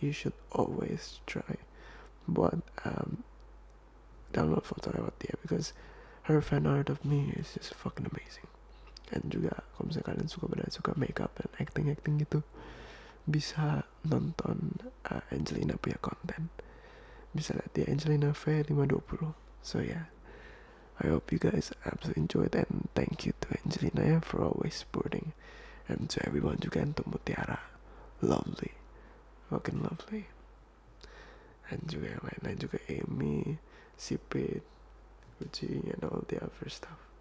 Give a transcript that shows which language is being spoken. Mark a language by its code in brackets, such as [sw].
[en] You should always try [id] buat download foto lewat dia, [en] because her fan art of me is just fucking amazing. [id] And juga kalau misalnya kalian suka pada suka makeup and acting gitu, bisa nonton Angelina punya konten. Bisa lihat dia Angelina V 520. [en] So yeah, I hope you guys absolutely enjoyed, and thank you to Angelina ya for always supporting, and to everyone juga, and to Mutiara, lovely, fucking lovely. And [id] juga yang lain-lain juga, [en] Amy, Sipit, Uji, and all the other stuff.